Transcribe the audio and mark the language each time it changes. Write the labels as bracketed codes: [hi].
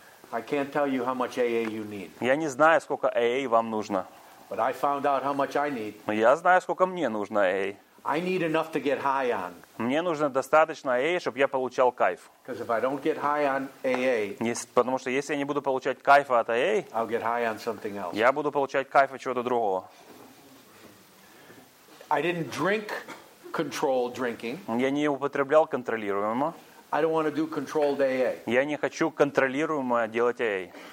[en] I can't tell you how much AA you need. [ru] Я не знаю, сколько AA вам нужно. [en] But I found out how much I need. [ru] Но я знаю, сколько мне нужно AA. [en] I need enough to get high on. [ru] Мне нужно достаточно AA, чтобы я получал кайф. [en] Because if I don't get high on AA, [ru] потому что если я не буду получать кайфа от AA, [en] I'll get high on something else. [ru] Я буду получать кайф от чего-то другого. [en] I didn't drink controlled drinking. [ru] Я не употреблял контролируемо. [en] I don't want to do controlled AA. [ru] Я не хочу контролируемо делать AA.